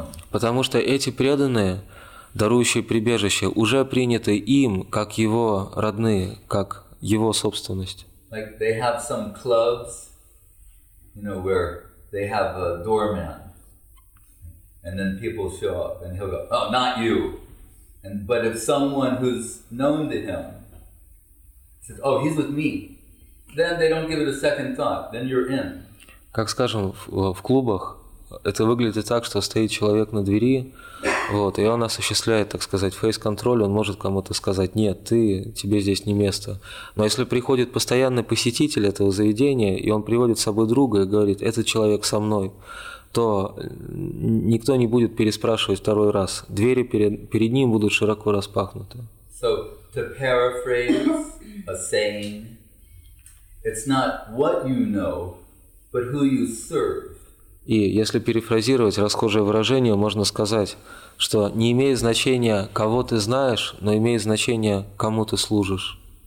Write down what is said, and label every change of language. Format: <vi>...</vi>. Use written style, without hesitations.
<ru>Потому что эти преданные, дарующие прибежище, уже приняты им как его родные, как его собственность.</ru> <en>Like they have some clubs, you know, where they have a doorman, and then people show up, and he'll go, "Oh, not you." And but if someone who's known to him says, "Oh, he's with me," then they don't give it a second thought. Then you're in.</en> <ru>Как скажем, в клубах это выглядит так, что стоит человек на двери, вот, и он осуществляет, так сказать, фейс-контроль, он может кому-то сказать, нет, ты, тебе здесь не место. Но если приходит постоянный посетитель этого заведения, и он приводит с собой друга и говорит, этот человек со мной, то никто не будет переспрашивать второй раз. Двери перед ним будут широко распахнуты.</ru> <en>So, to paraphrase a saying, it's not what you know, but who you serve.</en> <ru>И если перефразировать расхожее выражение, можно сказать, что не имеет значения, кого ты знаешь, но имеет значение, кому ты служишь.</ru>